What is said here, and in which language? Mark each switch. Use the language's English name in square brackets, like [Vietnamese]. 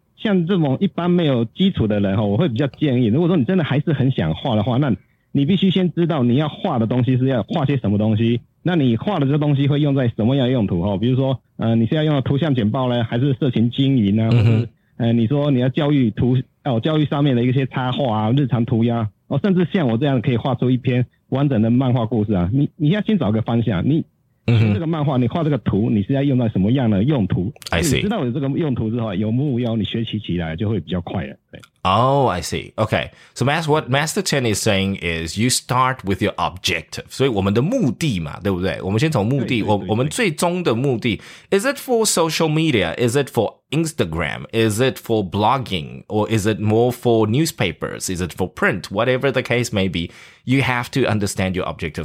[Chinese] 像这种一般没有基础的人，我会比较建议，如果说你真的还是很想画的话，那你必须先知道你要画的东西是要画些什么东西，那你画的这东西会用在什么样的用途，比如说你是要用的图像简报呢，还是社群经营呢，或是你说你要教育图教育上面的一些插画啊，日常涂鸦哦，甚至像我这样可以画出一篇完整的漫画故事啊，你要先找个方向，你这个漫画你画这个图你是要用在什么样的用途。 [English] I see. [Chinese] 你知道有这个用途之后有目标，你学习起来就会比较快了。 [English] Oh, I see. Okay. So what Master Chen is saying is you start with your objective. [Chinese] 所以我们的目的嘛，对不对？我们先从目的，我们最终的目的。 [English] Is it for social media? Is it for Instagram? Is it for blogging? Or is it more for newspapers? Is it for print? Whatever the case may be, you have to understand your objective.